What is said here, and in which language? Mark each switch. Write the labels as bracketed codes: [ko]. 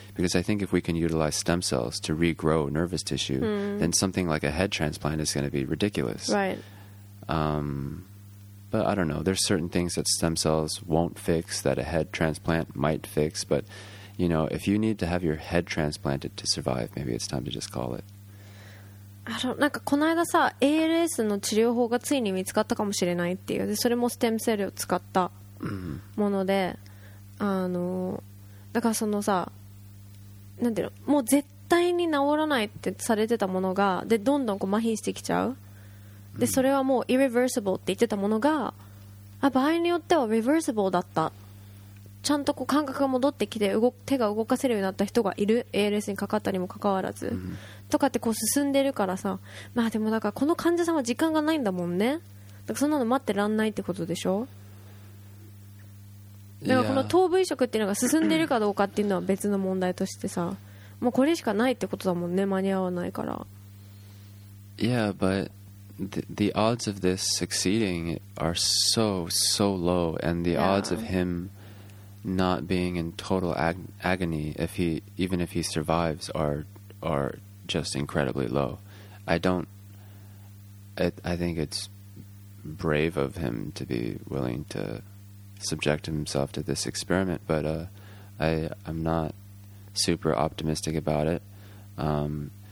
[en] Because I think if we can utilize stem cells to regrow nervous tissue, then something like a head transplant is going to be ridiculous. Right. But I don't know. There's certain things that stem cells won't fix that a head transplant might fix. But, you know, if you need to have your head transplanted to survive, maybe it's time to just call it. [ja] あのなんかこの間さ ALS の治療法がついに見つかったかもしれないっていうでそれもステムセルを使ったもので、mm-hmm. だからそのさなんていうのもう絶対に治らないってされてたものがでどんどんこう麻痺してきちゃうでそれはもう irreversible って言ってたものがあ場合によっては reversible だったちゃんとこう感覚が戻ってきて動手が動かせるようになった人がいる ALS にかかったにもかかわらず、mm-hmm. とかってこう進んでるからさまあでもだからこの患者さんは時間がないんだもんねだからそんなの待ってらんないってことでしょ、yeah. だからこの頭部移植っていうのが進んでるかどうかっていうのは別の問題としてさもうこれしかないってことだもんね間に合わないから [en] Yeah, but the odds of this succeeding are so, so low and the odds of him not being in total agony if he, even if he survives are just incredibly low. I think it's brave of him to be willing to subject himself to this experiment, but I'm not super optimistic about it.